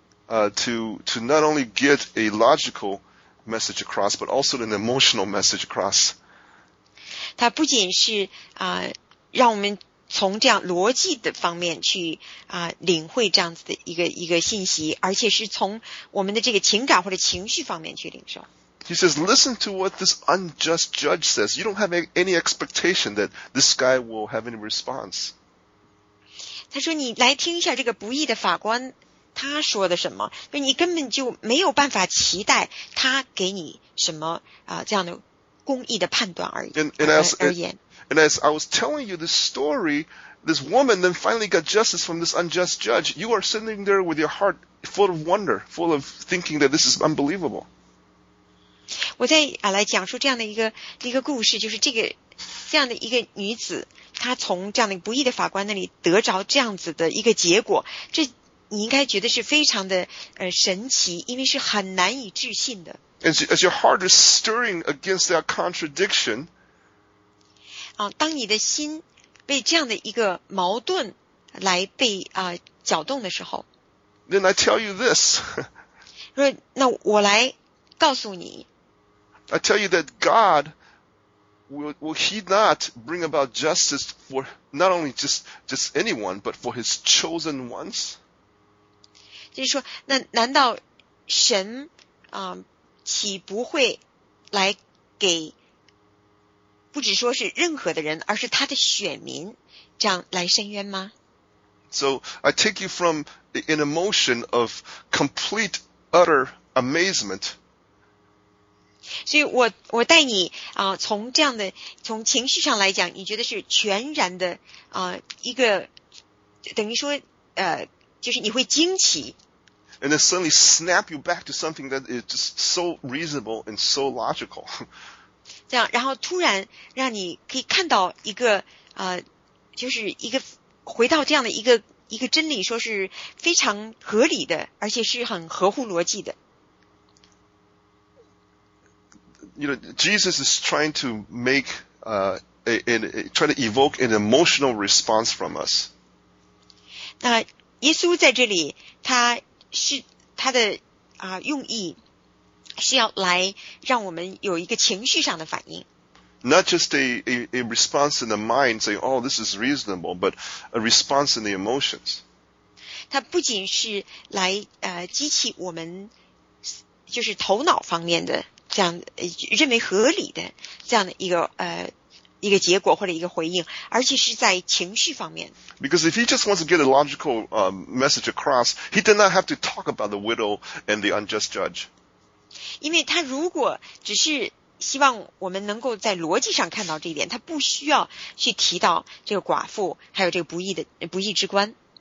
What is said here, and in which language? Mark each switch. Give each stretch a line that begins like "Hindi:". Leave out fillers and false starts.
English: To not only get a logical message across, but also an emotional message across.
Chinese: 他不仅是让我们从这样逻辑的方面去领会这样子的一个信息，而且是从我们的这个情感或者情绪方面去领受。
English: He says, listen to what this unjust judge says. You don't have any expectation that this guy will have any response.
Chinese: 他说你来听一下这个不义的法官他说的什么，你根本就没有办法期待他给你什么这样的公义的判断而已。
English: And as I was telling you this story, this woman then finally got justice from this unjust judge. You are sitting there with your heart full of wonder, full of thinking that this is unbelievable.
Chinese: 我在来讲述这样的一个故事，就是这样的一个女子，她从这样的不义的法官那里得着这样子的一个结果，这你应该觉得是非常的神奇，因为是很难以置信的。
English: As your heart is stirring against that contradiction,
Chinese: 当你的心被这样的一个矛盾来被搅动的时候
English: ，Then I tell you this.
Chinese: 说那我来告诉你。
English: I tell you that God will He not bring about justice for not only just anyone but for His chosen ones.
Chinese: 就是说，那难道神岂不会来给？不只说是任何的人，而是他的选民，这样来伸冤吗
English: ？So I take you from an emotion of complete utter amazement.
Chinese: 所以我带你从这样的从情绪上来讲，你觉得是全然的一个等于说就是你会惊奇。
English: And then suddenly snap you back to something that is just so reasonable and so logical.
Chinese: 这样，然后突然让你可以看到一个就是一个回到这样的一个真理，说是非常合理的，而且是很合乎逻辑的。
English: You know, Jesus is trying to make try to evoke an emotional response from us.
Chinese: 那耶稣在这里，他的用意是要来让我们有一个情绪上的反应。
English: Not just a response in the mind saying, oh, this is reasonable, but a response in the emotions.
Chinese: 它不仅是来激起我们就是头脑方面的这样认为合理的这样的一个结果或者一个回应，而且是在情绪方面。
English: Because if he just wants to get a logical message across, he did not have to talk about the widow and the unjust judge.
Chinese: 因为他如果只是希望我们能够在逻辑上看到这一点，他不需要去提到这个寡妇还有这个不义之官。